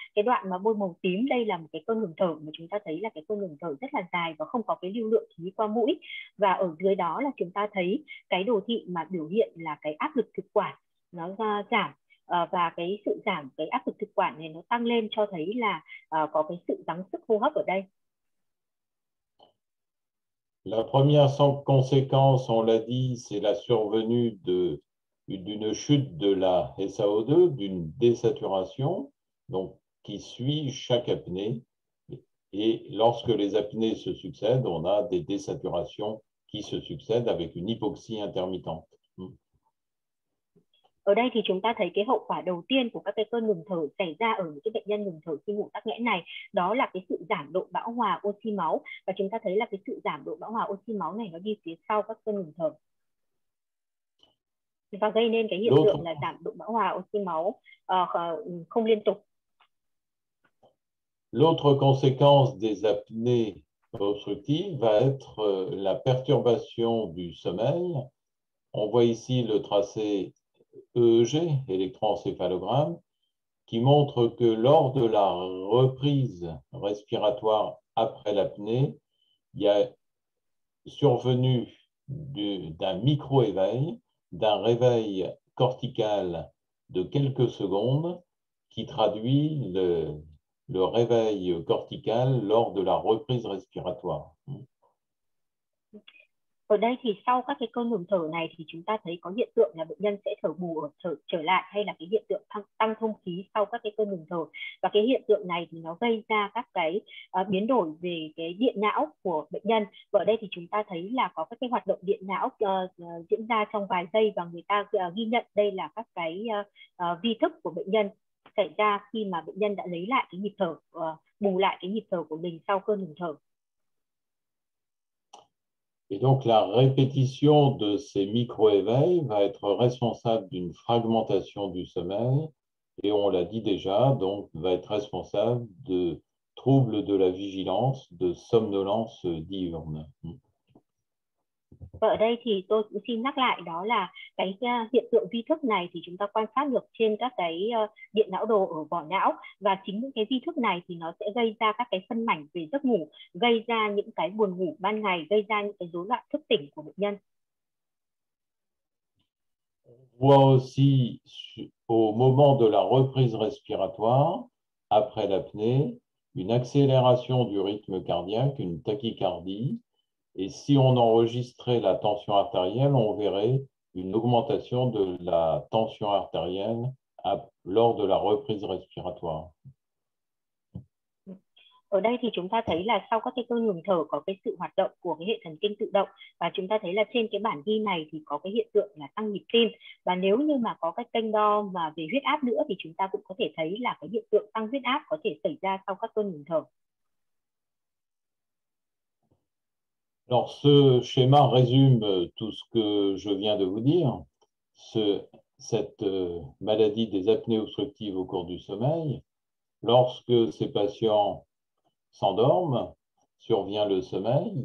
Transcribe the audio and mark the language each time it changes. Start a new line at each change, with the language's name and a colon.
Vietnamese: Cái đoạn mà bôi màu tím đây là một cái cơn ngừng thở mà chúng ta thấy là cái cơn ngừng thở rất là dài và không có cái lưu lượng khí qua mũi. Và ở dưới đó là chúng ta thấy cái đồ thị mà biểu hiện là cái áp lực thực quản nó giảm. Và cái sự giảm cái áp lực thực quản này nó tăng lên cho thấy là có cái sự gắng sức hô hấp ở đây.
French: La première conséquence, on l'a dit, c'est la survenue d'une chute de la SAO2, d'une désaturation, donc qui suit chaque apnée. Et lorsque les apnées se succèdent, on a des désaturations qui se succèdent avec une hypoxie intermittente.
Vietnamese: Ở đây thì chúng ta thấy cái hậu quả đầu tiên của các cái cơn ngừng thở xảy ra ở những cái bệnh nhân ngừng thở khi ngủ tắc nghẽn này, đó là cái sự giảm độ bão hòa oxy máu, và chúng ta thấy là cái sự giảm độ bão hòa oxy máu này nó đi phía sau các cơn ngừng thở và gây nên cái hiện tượng là giảm độ bão hòa oxy máu không liên tục.
French: L'autre conséquence des apnées obstructives va être la perturbation du sommeil. On voit ici le tracé EEG, électroencéphalogramme, qui montre que lors de la reprise respiratoire après l'apnée, il y a survenu d'un micro-éveil, d'un réveil cortical de quelques secondes qui traduit le réveil cortical lors de la reprise respiratoire.
Vietnamese: Ở đây thì sau các cái cơn ngừng thở này thì chúng ta thấy có hiện tượng là bệnh nhân sẽ thở bù ở thở trở lại, hay là cái hiện tượng tăng thông khí sau các cái cơn ngừng thở. Và cái hiện tượng này thì nó gây ra các cái biến đổi về cái điện não của bệnh nhân. Và ở đây thì chúng ta thấy là có các cái hoạt động điện não diễn ra trong vài giây, và người ta ghi nhận đây là các cái vi thức của bệnh nhân xảy ra khi mà bệnh nhân đã lấy lại cái nhịp thở, bù lại cái nhịp thở của mình sau cơn ngừng thở.
French: Et donc la répétition de ces micro-éveils va être responsable d'une fragmentation du sommeil, et on l'a dit déjà, donc va être responsable de troubles de la vigilance, de somnolence diurne.
Vietnamese: Ở đây thì tôi cũng xin nhắc lại đó là cái hiện tượng vi thức này thì chúng ta quan sát được trên các cái điện não đồ ở vỏ não, và chính những cái vi thức này thì nó sẽ gây ra các cái phân mảnh về giấc ngủ, gây ra những cái buồn ngủ ban ngày, gây ra những cái rối loạn thức tỉnh của bệnh nhân.
French: On voit aussi au moment de la reprise respiratoire après l'apnée une accélération du rythme cardiaque, une tachycardie. Et si on enregistrait la tension artérielle, on verrait une augmentation de la tension artérielle lors de la reprise respiratoire.
Vietnamese: Ở đây thì chúng ta thấy là sau các cái cơn ngừng thở có cái sự hoạt động của cái hệ thần kinh tự động, và chúng ta thấy là trên cái bản ghi này thì có cái hiện tượng là tăng nhịp tim, và nếu như mà có cái kênh đo mà về huyết áp nữa thì chúng ta cũng có thể thấy là cái hiện tượng tăng huyết áp có thể xảy ra sau các cơn ngừng thở.
French: Alors, ce schéma résume tout ce que je viens de vous dire. Cette maladie des apnées obstructives au cours du sommeil, lorsque ces patients s'endorment, survient le sommeil.